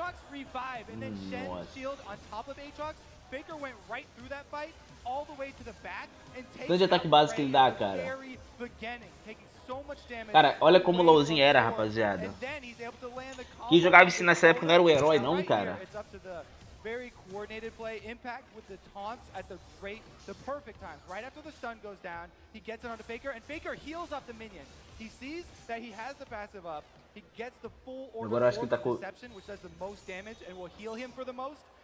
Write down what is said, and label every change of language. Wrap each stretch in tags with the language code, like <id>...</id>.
<en>Revive and then Shen shield on top of Aatrox. Baker went right through that fight all the way to the back and takes</en> <pt>tanto de ataque básico que ele dá, cara. Cara, olha como o Lowzinho era, rapaziada. Quem jogava isso nessa época não era o herói, não, cara.</pt> <en>Very coordinated play, Impact with the taunts at the great, the perfect times. Right after the stun goes down, he gets it onto Faker, and Faker heals up the minion. He sees that he has the passive up, he gets the full order of deception, which does the most damage and will heal him for the most.</en>